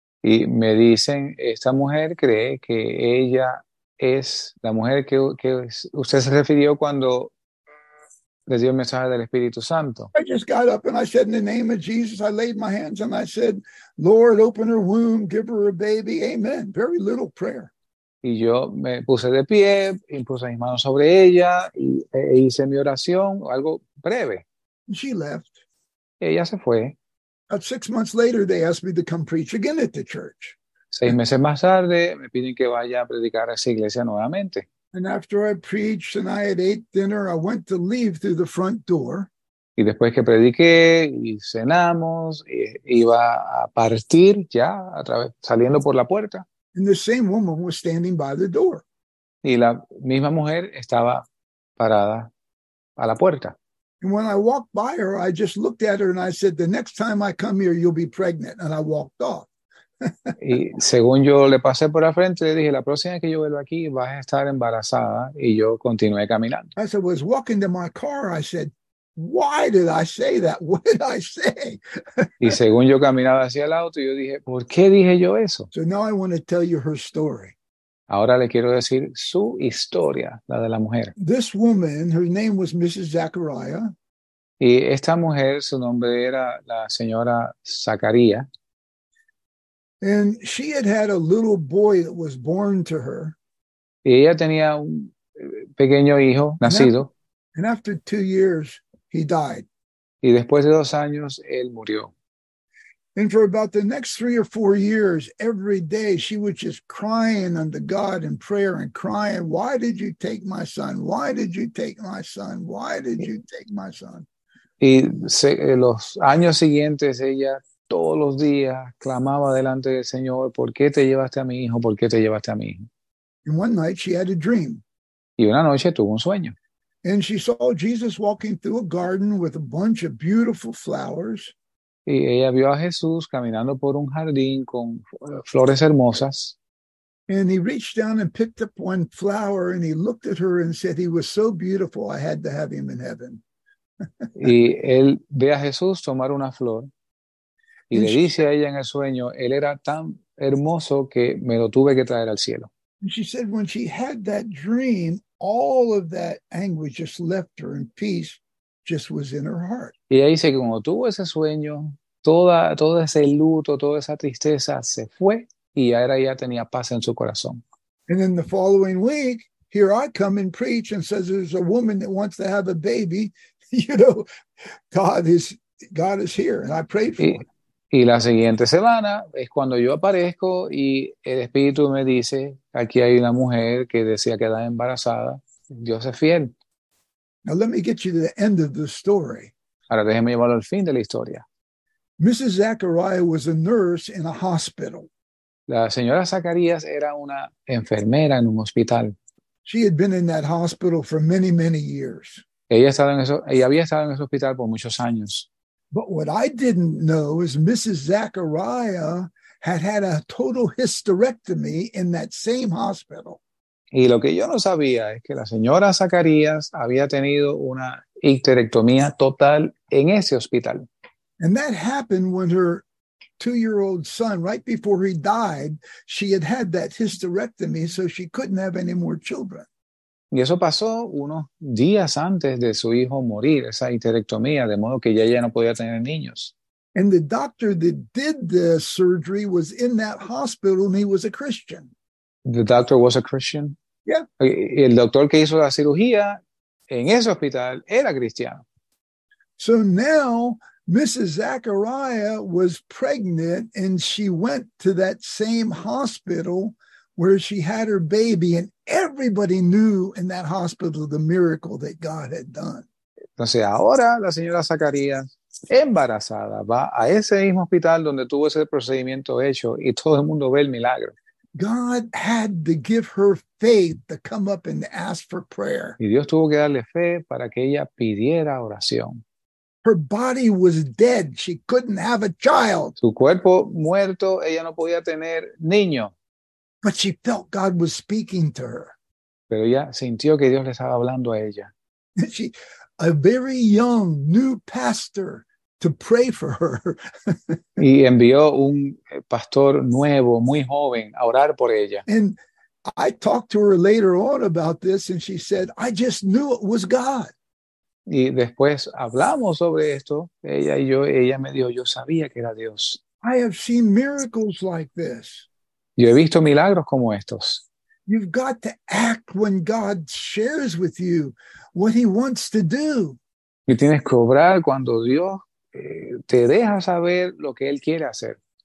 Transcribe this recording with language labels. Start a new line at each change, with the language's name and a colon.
Spanish: Y me dicen, esta mujer cree que ella es la mujer que usted se refirió cuando le dio el mensaje del Espíritu Santo.
English: I just got up and I said, in the name of Jesus, I laid my hands and I said, Lord, open her womb, give her a baby, amen. Very little prayer.
Spanish: Y yo me puse de pie, impuse mis manos sobre ella e hice mi oración, algo breve.
English: She left.
Spanish: Ella se fue.
English: About 6 months later, they asked me to come preach again at the church.
Spanish: 6 meses más tarde, me piden que vaya a predicar a esa iglesia nuevamente.
English: And after I preached and I had ate dinner, I went to leave through the front door.
Spanish: Y después que prediqué y cenamos, iba a partir ya, a través, saliendo por la puerta.
English: And the same woman was standing by the door.
Spanish: Y la misma mujer estaba parada a la puerta.
English: And when I walked by her, I just looked at her and I said, the next time I come here, you'll be pregnant. And I walked off.
Spanish: Y según yo le pasé por la frente, le dije, la próxima vez que yo vuelva aquí, vas a estar embarazada. Y yo continué caminando.
English: As I was walking to my car, I said, why did I say that? What did I say?
Spanish: Y según yo caminaba hacia el auto, yo dije, ¿por qué dije yo eso?
English: So now I want to tell you her story.
Spanish: Ahora le quiero decir su historia, la de la mujer.
English: This woman, her name was Mrs. Zachariah.
Spanish: Y esta mujer, su nombre era la señora Zacarías.
English: And she had had a little boy that was born to her.
Spanish: Y ella tenía un pequeño hijo nacido.
English: And after 2 years, he died.
Spanish: Y después de 2 años, él murió.
English: And for about the next 3 or 4 years, every day she was just crying unto God in prayer and crying, why did you take my son? Why did you take my son? Why did you take my son?
Spanish: Y los años siguientes ella todos los días clamaba delante del Señor, ¿por qué te llevaste a mi hijo? ¿Por qué te llevaste a mi hijo?
English: And one night she had a dream.
Spanish: Y una noche tuvo un sueño.
English: And she saw Jesus walking through a garden with a bunch of beautiful flowers.
Spanish: Y ella vio a Jesús caminando por un jardín con flores hermosas.
English: And he reached down and picked up one flower and he looked at her and said, he was so beautiful, I had to have him in heaven.
Spanish: Y él ve a Jesús tomar una flor y le dice a ella en el sueño, él era tan hermoso que me lo tuve que traer al cielo.
English: And she said, when she had that dream, all of that anguish just left her in peace. Just was in her heart.
Spanish: Y ella dice que cuando tuvo ese sueño, todo ese luto, toda esa tristeza se fue y ya tenía paz en su corazón.
English: And then the following week, here I come and preach and says there's a woman that wants to have a baby. You know, God is here and I prayed for her.
Spanish: Y la siguiente semana es cuando yo aparezco y el Espíritu me dice, aquí hay una mujer que decía quedar embarazada. Dios es fiel.
English: Now let me get you to the end of the story.
Spanish: Ahora déjeme llevarlo al fin de la historia.
English: Mrs. Zachariah was a nurse in a hospital.
Spanish: La señora Zacarías era una enfermera en un hospital.
English: She had been in that hospital for many, many years.
Spanish: Ella había estado en ese hospital por muchos años.
English: But what I didn't know is Mrs. Zachariah had had a total hysterectomy in that same hospital.
Spanish: Y lo que yo no sabía es que la señora Zacarías había tenido una histerectomía total en ese hospital.
English: And that happened when her 2-year-old son, right before he died, she had had that hysterectomy so she couldn't have any more children.
Spanish: Y eso pasó unos días antes de su hijo morir, esa histerectomía, de modo que ya no podía tener niños.
English: And the doctor that did the surgery was in that hospital and he was a Christian. The doctor was a Christian.
Spanish: Y el doctor que hizo la cirugía en ese hospital era cristiano.
English: So now Mrs. Zachariah was pregnant and she went to that same hospital where she had her baby, and everybody knew in that hospital the miracle that God had done.
Spanish: Entonces ahora la señora Zacarías, embarazada, va a ese mismo hospital donde tuvo ese procedimiento hecho y todo el mundo ve el milagro.
English: God had to give her faith to come up and ask for prayer.
Spanish: Y Dios tuvo que darle fe para que ella pidiera oración.
English: Her body was dead. She couldn't have a child.
Spanish: Su cuerpo muerto, ella no podía tener niño.
English: But she felt God was speaking to her.
Spanish: Pero ella sintió que Dios le estaba hablando a ella.
English: She, a very young, new pastor to pray for her.
Spanish: Y envió un pastor nuevo, muy joven, a orar por ella.
English: And I talked to her later on about this, and she said, I just knew it was God.
Spanish: Y después hablamos sobre esto, ella y yo, ella me dijo, yo sabía que era Dios.
English: I have seen miracles like this.
Spanish: Yo he visto milagros como estos.
English: You've got to act when God shares with you what he wants to do.
Spanish: Y tienes que obrar cuando Dios te deja saber lo que él quiere hacer.